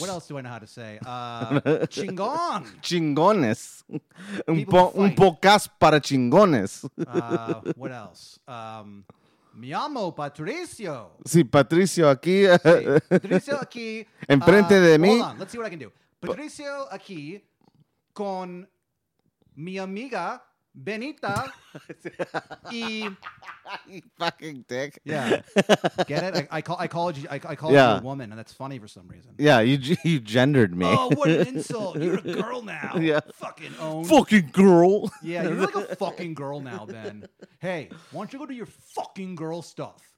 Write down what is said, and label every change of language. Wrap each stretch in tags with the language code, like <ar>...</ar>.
<en>What else do I know how to say?</en> <es>chingón. Chingones. Un pocas para chingones.</es> <en>What else?</en> <es>Me llamo Patricio. Sí, Patricio aquí. Sí. Patricio aquí. Enfrente de mí.</es> <en>Hold on, let's see what I can do.</en> <es>Patricio aquí con mi amiga Benita y</es> <en>fucking dick. Yeah, get it. I called you a woman, and that's funny for some reason. Yeah, you gendered me. Oh, what an insult! You're a girl now. Yeah, fucking own. Fucking girl. Yeah, you're like a fucking girl now, Ben. Hey, why don't you go do your fucking girl stuff?</en>